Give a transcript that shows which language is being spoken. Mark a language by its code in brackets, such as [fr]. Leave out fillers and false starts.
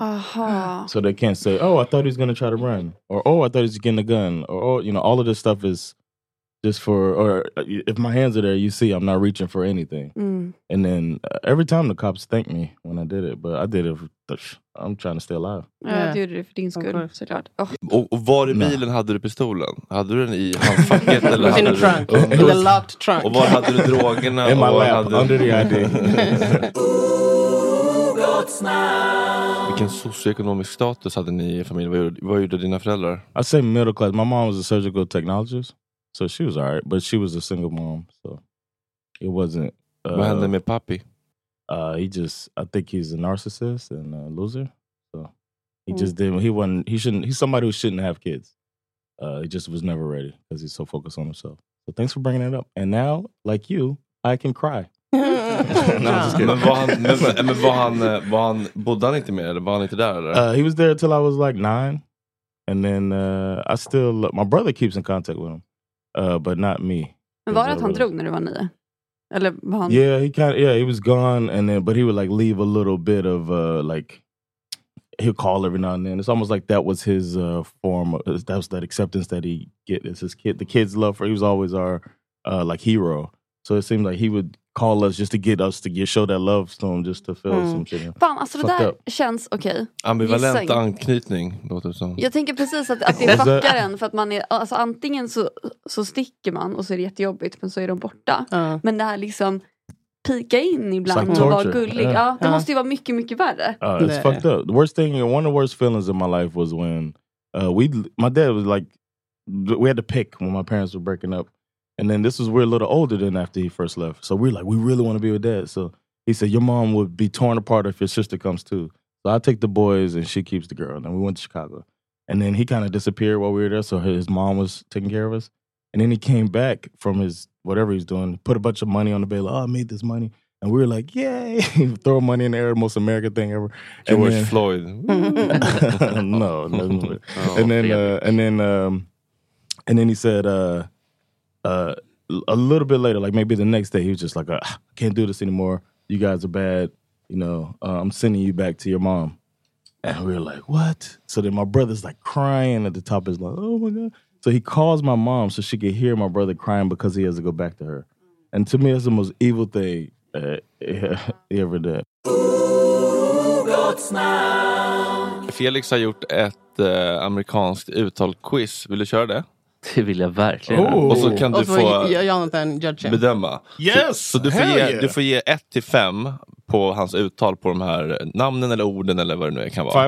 [en] Uh-huh. So they can't say, "Oh, I thought he was going to try to run," or "Oh, I thought he was getting a gun," or "Oh, you know, all of this stuff is just for, or if my hands are there, you see I'm not reaching for anything." Mm. And then every time the cops thank me when I did it, but I did it for I'm trying to stay alive. [sv] Ja, du gjorde det för din skull. Och var i bilen hade du pistolen? Hade du den i handfacket? Eller [en] in the trunk. In the locked trunk. [sv] Och var hade du drogerna? [en] In my lap, under the ID. [sv] Vilken socioekonomisk status hade ni i familjen? Vad gjorde dina föräldrar? [en] I'd say middle class. My mom was a surgical technologist. So she was all right. But she was a single mom. So it wasn't... [sv] Vad hände med pappi? [en] I think he's a narcissist and a loser. So he just didn't... He wasn't... He shouldn't... He's somebody who shouldn't have kids. He just was never ready because he's so focused on himself. So thanks for bringing it up. And now, like you, I can cry. [sv] Men var han bodde han inte mer eller var han inte där eller? [en] He was there till I was like 9 and then I still my brother keeps in contact with him but not me. [sv] Men var det att han drog när du var 9 eller var han? [en] Yeah, he kind of, yeah, he was gone and then but he would like leave a little bit of like he'll call every now and then. It's almost like that was his form of, that was that acceptance that he get as his kid, the kids love for. He was always our like hero. So it seemed like he would call us just to get us to get show that love to him just to feel some shit. [sv] Fan, alltså det där känns okej. Okay. Ambivalent anknytning, låter det som. Jag tänker precis att det fuckar en för att man är, alltså antingen så sticker man och så är det jättejobbigt men så är de borta. Men det här liksom pika in ibland like och vara gullig. Yeah. Ja, det måste ju vara mycket, mycket värre. [en] It's fucked up. The worst thing, one of the worst feelings in my life was when my dad was like, we had to pick when my parents were breaking up. And then this was, we're a little older than after he first left. So we're like, we really want to be with dad. So he said, your mom would be torn apart if your sister comes too. So I take the boys and she keeps the girl. And then we went to Chicago. And then he kind of disappeared while we were there. So his mom was taking care of us. And then he came back from his, whatever he's doing, put a bunch of money on the bed. Like, oh, I made this money. And we were like, yay. Throw money in the air, most American thing ever. George then, Floyd. No. And then he said, a little bit later, like maybe the next day, he was just like, I can't do this anymore. You guys are bad. You know, I'm sending you back to your mom. And we were like, what? So then my brother's like crying at the top of his lungs. Oh my God. So he calls my mom so she could hear my brother crying because he has to go back to her. And to me, that's the most evil thing he ever did. [sv] Felix har gjort ett amerikanskt uttal-quiz. Vill du köra det? Det vill jag verkligen. Oh. Och så kan du få [en] Jonathan judge [sv] bedöma. [en] Yes! [sv] Så du får ge 1-5 på hans uttal på de här namnen eller orden eller vad det nu kan vara.